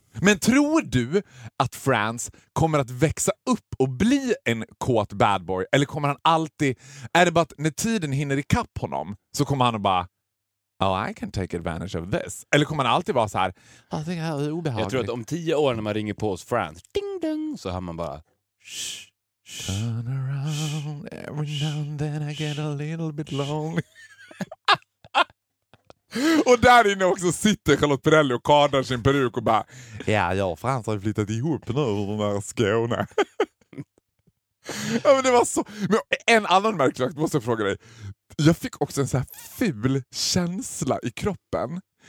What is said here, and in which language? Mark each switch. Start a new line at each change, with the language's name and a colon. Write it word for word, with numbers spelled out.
Swedish: Men tror du att Frans kommer att växa upp och bli en kåt bad boy? Eller kommer han alltid... Är det bara att när tiden hinner ikapp honom så kommer han att bara...
English: Oh, I can take advantage of this.
Swedish: Eller kommer han alltid vara så här... Jag tycker det här är obehagligt. Jag tror att om tio år när man ringer på oss Frans... Ding, ding, så har man bara... Shh.
English: Turn around every now and then I get a little bit lonely.
Swedish: Och där inne också sitter Charlotte Perrelli och kardar sin peruk och bara ja, jag och Frans har flyttat ihop nu ur den här Skåne. Ja, men det var så... Men en annan märklig sak måste jag fråga dig. Jag fick också en så här ful känsla i kroppen.